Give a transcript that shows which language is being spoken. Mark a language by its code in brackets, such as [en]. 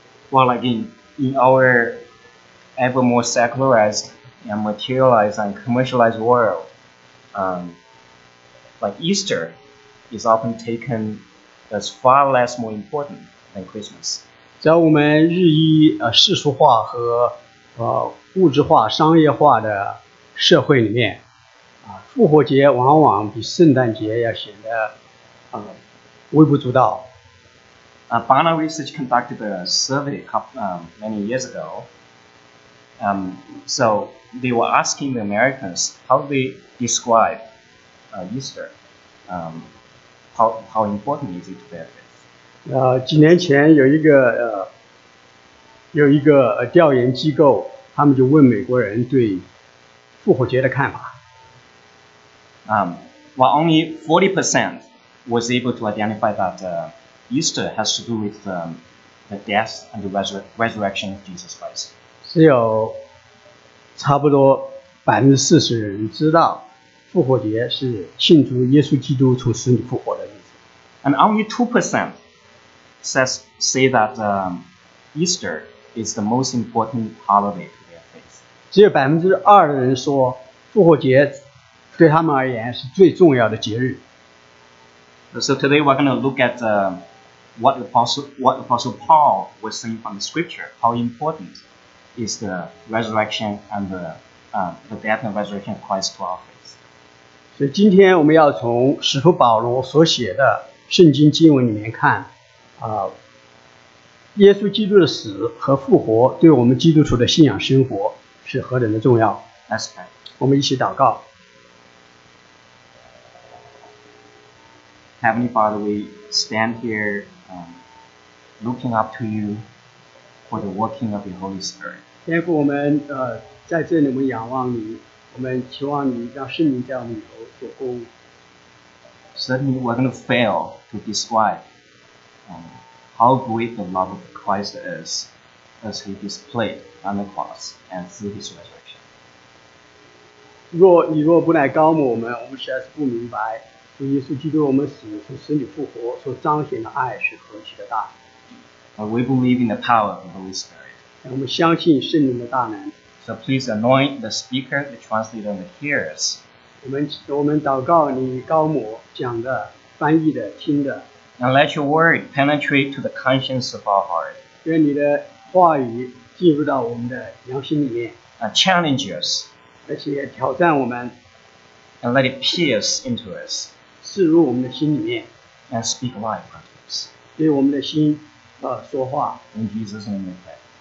[en] Well, like in our ever more secularized and materialized and commercialized world, like Easter is often taken as far less more important than Christmas. [zh] 在我们日益世俗化和物质化、商业化的社会里面，复活节往往比圣诞节要显得微不足道。 [en] Barna Research conducted a survey many years ago. So they were asking the Americans how they describe Easter. How important is it to their faith? [zh] 几年前有一个调研机构，他们就问美国人对复活节的看法。 [en] While only 40% was able to identify that Easter has to do with the death and the resurrection of Jesus Christ. [zh] 只有差不多40%人知道复活节是庆祝耶稣基督从死里复活的日子。 [en] And only 2% say that Easter is the most important holiday to their faith. [zh] 只有2%的人说复活节对他们而言是最重要的节日。 [en] So today we're going to look at what Apostle Paul was saying from the scripture, how important is the resurrection and the death and resurrection of Christ to our faith. [zh] 所以今天我们要从使徒保罗所写的圣经经文里面看耶稣基督的死和复活对我们基督徒的信仰生活是何等的重要。 [en] That's right. [zh] 我们一起祷告。 [en] Heavenly Father, we stand here looking up to you for the working of your Holy Spirit. [zh] 天父，我们在这里我们仰望你，我们期望你让圣灵在我们里头做工。 [en] Certainly, we're going to fail to describe how great the love of Christ is as he displayed on the cross and through his resurrection. [zh] 若不来高牧我们实在是不明白主耶稣基督我们死从死里复活所彰显的爱是何其的大。 [en] We believe in the power of the Holy Spirit. [zh] 我们相信圣灵的大能。 [en] So please anoint the speaker, the translator, and the hearers. [zh] 我们祷告你高牧讲的翻译的听的。 [en] And let your word penetrate to the conscience of our heart. [zh] 愿你的话语进入到我们的良心里面。 [en] Challenge us. [zh] 而且挑战我们。 [en] And let it pierce into us. [zh] 刺入我们的心里面。 [en] And speak life unto us. [zh] 对我们的心说话。 [en] In Jesus' name we pray.